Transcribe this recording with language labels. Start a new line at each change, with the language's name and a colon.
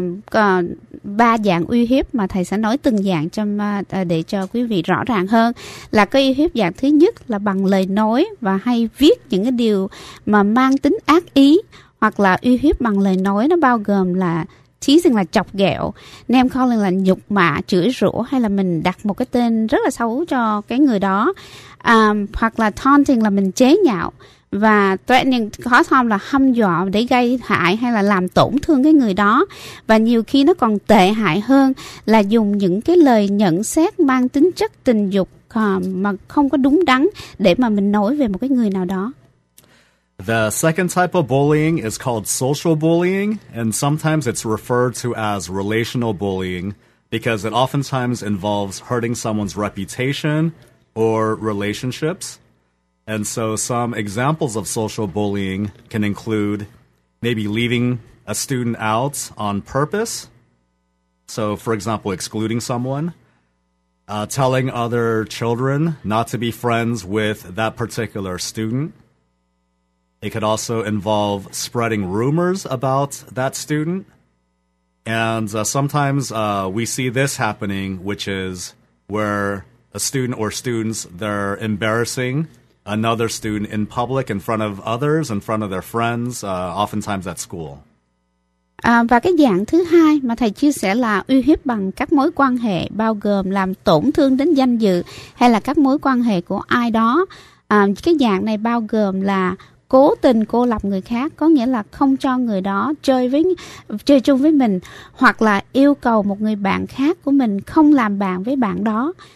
Vietnamese: Còn ba dạng uy hiếp mà thầy sẽ nói từng dạng cho để cho quý vị rõ ràng hơn là cái uy hiếp dạng thứ nhất là bằng lời nói và hay viết những cái điều mà mang tính ác ý, hoặc là uy hiếp bằng lời nói nó bao gồm là teasing là chọc ghẹo, name calling là nhục mạ, chửi rủa, hay là mình đặt một cái tên rất là xấu cho cái người đó, hoặc là taunting là mình chế nhạo, và
English: threatening cause harm
Vietnamese: là hăm dọa để gây hại hay là làm tổn thương cái người đó. Và nhiều khi nó còn tệ hại hơn là dùng những cái lời nhận xét mang tính chất tình dục mà không có đúng đắn để mà mình nói về một cái người nào đó.
English: The second type of bullying is called social bullying, and sometimes it's referred to as relational bullying because it oftentimes involves hurting someone's reputation or relationships. And so some examples of social bullying can include maybe leaving a student out on purpose. So, for example, excluding someone, telling other children not to be friends with that particular student. It could also involve spreading rumors about that student. And sometimes we see this happening, which is where a student or students, they're embarrassing another student in public, in front of others, in front of their friends, oftentimes at school.
Vietnamese: Và cái dạng thứ hai mà thầy chia sẻ là uy hiếp bằng các mối quan hệ, bao gồm làm tổn thương đến danh dự hay là các mối quan hệ của ai đó. Cái dạng này bao gồm là cố tình cô lập người khác, có nghĩa là không cho người đó chơi chung với mình, hoặc là yêu cầu một người bạn khác của mình không làm bạn với bạn đó.